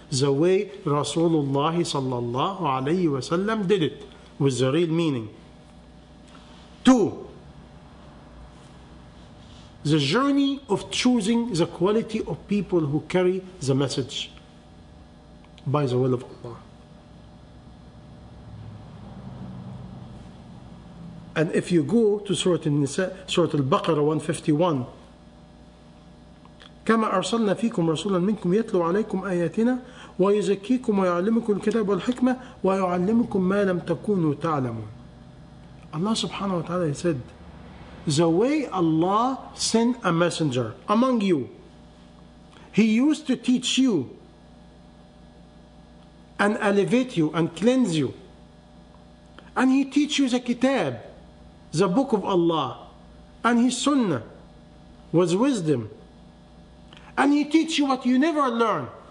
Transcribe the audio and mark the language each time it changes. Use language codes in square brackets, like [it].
[en] The way Rasulullah sallallahu alayhi wa sallam did it. With the real meaning. Two. The journey of choosing the quality of people who carry the message by the will of Allah. And if you go to Surah Al-Baqarah 151, [ar] كما أرسلنا فيكم رسولا منكم يتلو عليكم آياتنا ويزكيكم ويعلمكم الكتاب والحكمة ويعلمكم ما لم تكونوا تعلمون. [en] Allah subhanahu wa ta'ala said, the way Allah sent a messenger among you, he used to teach you and elevate you and cleanse you, and he teach you the kitab, the book of Allah, and his sunnah was wisdom, and he teach you what you never learn.